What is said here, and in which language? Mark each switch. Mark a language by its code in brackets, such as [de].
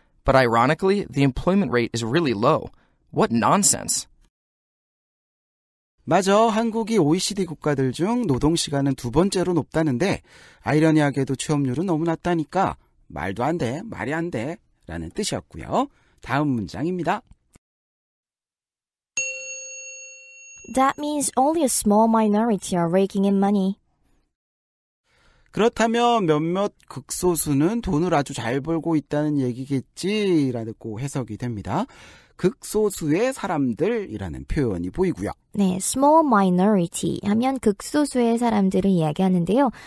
[en] But ironically, the employment rate is really low. What nonsense. [ko] 맞아. 한국이 OECD 국가들 중 노동시간은 두 번째로 높다는데 아이러니하게도 취업률은 너무 낮다니까 말도 안 돼, 말이 안 돼 라는 뜻이었고요. 다음 문장입니다. [en] That means only a small minority are raking in money. [ko] 그렇다면 몇몇 극소수는 돈을 아주 잘 벌고 있다는 얘기겠지 라고 해석이 됩니다. 극소수의 사람들이라는 표현이 보이고요. 네, small minority 하면 극소수의 사람들을 이야기하는데요.